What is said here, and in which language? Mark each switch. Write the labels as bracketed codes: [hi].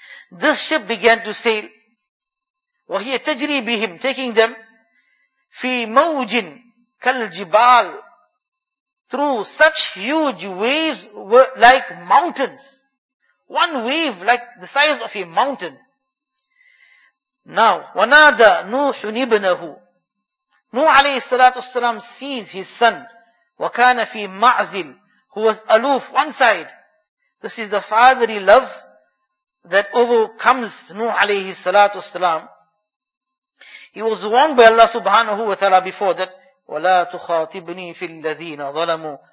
[en] This ship began to sail. [ar] وَهِيَ تَجْرِي بِهِمْ, [en] taking them, [ar] فِي مَوْجٍ كَالْجِبَالِ, [en] through such huge waves were like mountains. One wave like the size of a mountain. Now, [ar] وَنَادَى نُوحٌ ابْنَهُ. [en] Nuh alayhi salatu wasalam sees his son. [ar] وَكَانَ فِي مَعْزِلٍ, [en] who was aloof, one side. This is the fatherly love that overcomes Nuh alayhi salatu wasalam. He was warned by Allah subhanahu wa ta'ala before that, [ar] وَلَا تُخَاطِبْنِي فِي الَّذِينَ ظَلَمُوا.